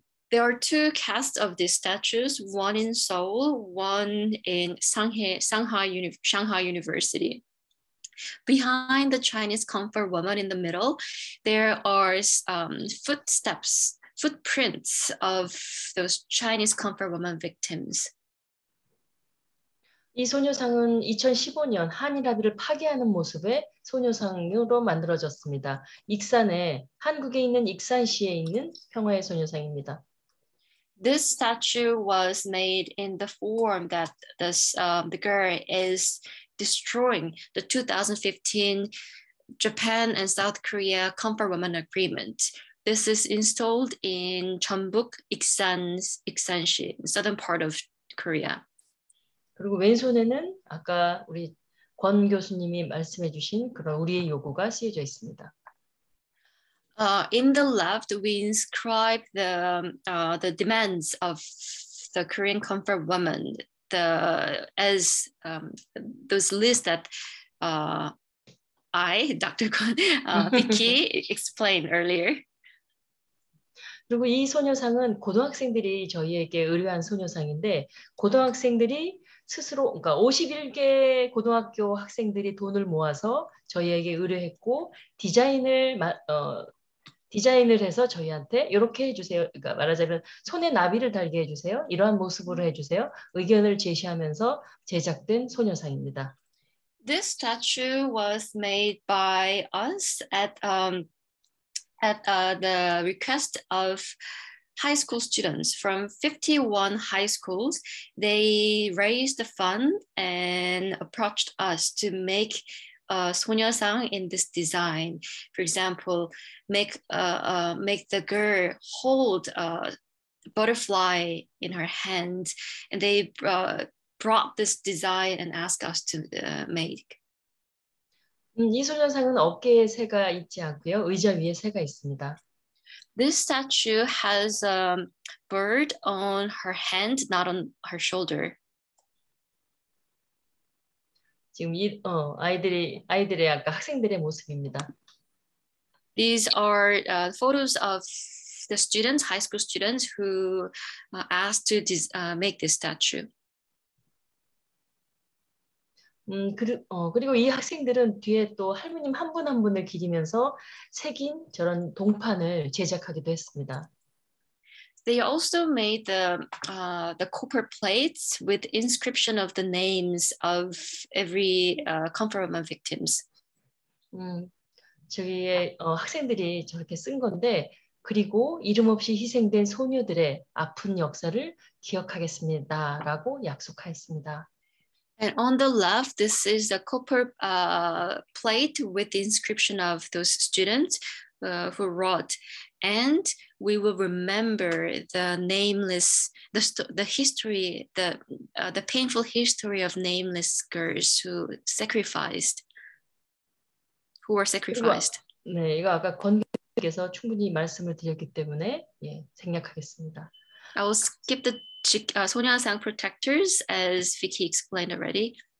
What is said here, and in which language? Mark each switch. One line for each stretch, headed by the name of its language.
English: There are two casts of these statues, one in Seoul, one in Shanghai University. Behind the Chinese comfort woman in the middle, there are footprints of those Chinese comfort woman victims.
Korean: 이 소녀상은 2015년 한일합의를 파괴하는 모습의 소녀상으로 만들어졌습니다. 익산에 한국에 있는 익산시에 있는 평화의 소녀상입니다.
English: This statue was made in the form that the girl is destroying the 2015 Japan and South Korea Comfort Woman Agreement. This is installed in Jeonbuk, Iksan시, southern part of Korea.
Korean: 그리고 왼손에는 아까 우리 권 교수님이 말씀해 주신 그런 우리의 요구가 쓰여져 있습니다.
English: In the left, we inscribe the demands of the Korean comfort woman, those lists that I, Dr. Kwon, Vicky explained earlier.
Korean: 그리고 이 소녀상은 고등학생들이 저희에게 의뢰한 소녀상인데 고등학생들이 스스로 그러니까 51개 고등학교 학생들이 돈을 모아서 저희에게 의뢰했고 디자인을 해서 저희한테 이렇게 해주세요. 그러니까 말하자면 손에 나비를 달게 해주세요. 이러한 모습으로 해주세요. 의견을 제시하면서 제작된 소녀상입니다.
English: This statue was made by us at the request of high school students from 51 high schools. They raised the fund and approached us to make a sonyeosang in this design. For example, make the girl hold a butterfly in her hand. And they brought this design and asked us to make.
Korean: 이 소녀상은 어깨에 새가 있지 않고요. 의자 위에 새가 있습니다.
English: This statue has a bird on her hand, not on her shoulder.
Korean: 지금 이 어 아이들이 아이들의 아까 학생들의 모습입니다.
English: These are photos of the students, high school students, who asked to make this statue.
Korean: 그리고 이 학생들은 뒤에 또 할머님 한 분 한 분을 기리면서 새긴 저런 동판을 제작하기도 했습니다.
English: They also made the copper plates with inscription of the names of every confirmation victims.
Korean: 저희의 학생들이 저렇게 쓴 건데 그리고 이름 없이 희생된 소녀들의 아픈 역사를 기억하겠습니다라고 약속하였습니다.
English: And on the left, this is a copper plate with the inscription of those students who wrote. And we will remember the nameless, the history, the painful history of nameless girls who sacrificed, who were sacrificed.
Korean: 네, 이거 아까 권님께서 충분히 말씀을 드렸기 때문에 예, 생략하겠습니다.
English: I will skip the Sonyeosang protectors as Vicky explained already.